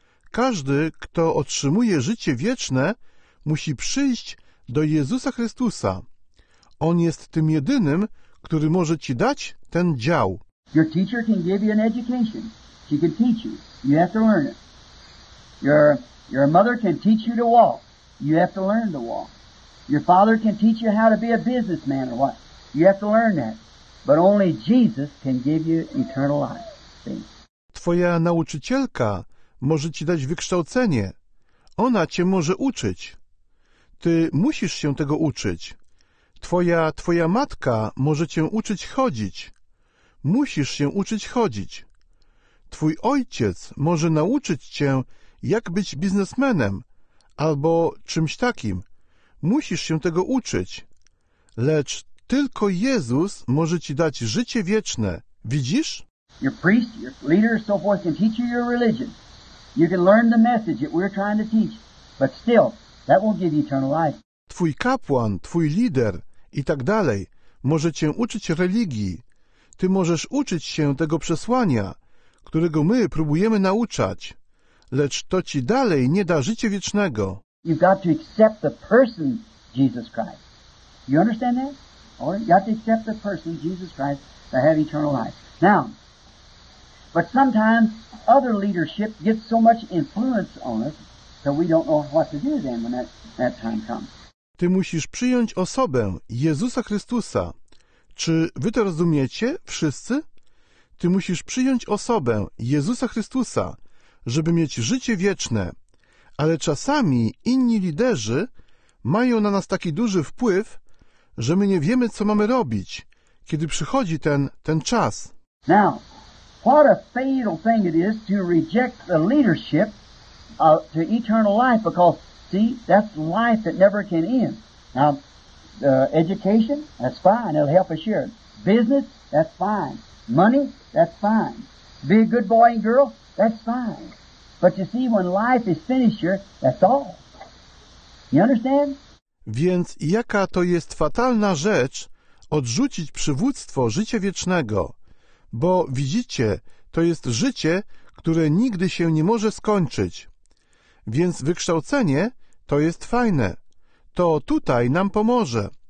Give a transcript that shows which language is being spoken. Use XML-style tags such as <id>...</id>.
<pl>Każdy, kto otrzymuje życie wieczne, musi przyjść do Jezusa Chrystusa. On jest tym jedynym, który może ci dać ten dział.</pl> <en>Your teacher can give you an education. She can teach you. You have to learn it. Your mother can teach you to walk. You have to learn to walk. Your father can teach you how to be a businessman or what. You have to learn that. But only Jesus can give you eternal life.</en> <pl>Twoja nauczycielka może ci dać wykształcenie. Ona cię może uczyć. Ty musisz się tego uczyć. Twoja matka może cię uczyć chodzić. Musisz się uczyć chodzić. Twój ojciec może nauczyć cię, jak być biznesmenem albo czymś takim. Musisz się tego uczyć. Lecz tylko Jezus może ci dać życie wieczne. Widzisz?</pl> <en>Your priest, your leader, so forth can teach you your religion. You can learn the message that we're trying to teach. But still, that won't give you eternal life.</en> <pl>Twój kapłan, twój lider i tak dalej może cię uczyć religii. Ty możesz uczyć się tego przesłania, którego my próbujemy nauczać. Lecz to ci dalej nie da życia wiecznego.</pl> <en>You've got to accept the person Jesus Christ. You understand that? Or you have to accept the person Jesus Christ to have eternal life. Now, but sometimes other leadership gets so much influence on us that we don't know what to do then when that time comes.</en> <pl>Ty musisz przyjąć osobę Jezusa Chrystusa. Czy wy to rozumiecie wszyscy? Ty musisz przyjąć osobę Jezusa Chrystusa, żeby mieć życie wieczne. Ale czasami inni liderzy mają na nas taki duży wpływ, że my nie wiemy, co mamy robić, kiedy przychodzi ten czas.</pl> <en>Now, what a fatal thing it is to reject the leadership to eternal life, because, see, that's life that never can end. Now, education, that's fine, it'll help us here. Business, that's fine. Money, that's fine. Be a good boy and girl, that's fine. But you see, when life is finished here, that's all. You understand?</en> <pl>Więc jaka to jest fatalna rzecz odrzucić przywództwo życia wiecznego, bo widzicie, to jest życie, które nigdy się nie może skończyć. Więc wykształcenie to jest fajne, to tutaj nam pomoże.</pl>